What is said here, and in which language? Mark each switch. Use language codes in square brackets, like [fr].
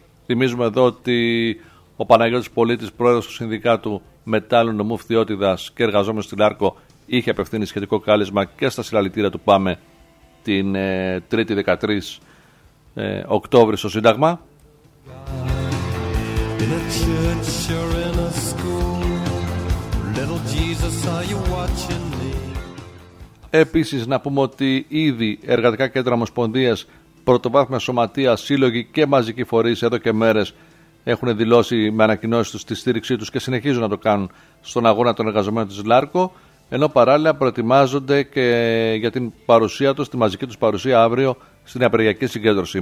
[el] Θυμίζουμε εδώ ότι ο Παναγιώτης Πολίτης, πρόεδρος του Συνδικάτου Μετάλλου Νομού Φθιώτιδας και εργαζόμενος στη Λάρκο, είχε απευθύνει σχετικό κάλεσμα και στα συλλαλητήρια του ΠΑΜΕ την 3η 13 Οκτώβρη στο Σύνταγμα. [en] In a church or in a school, little Jesus, are you watching me? [el] Επίσης να πούμε ότι ήδη εργατικά κέντρα, ομοσπονδίες, πρωτοβάθμια σωματεία, σύλλογοι και μαζικοί φορείς εδώ και μέρες έχουν δηλώσει με ανακοινώσεις τους τη στήριξή τους και συνεχίζουν να το κάνουν στον αγώνα των εργαζομένων της Λάρκο, ενώ παράλληλα προετοιμάζονται και για την παρουσία τους, τη μαζική τους παρουσία αύριο στην απεργιακή συγκέντρωση.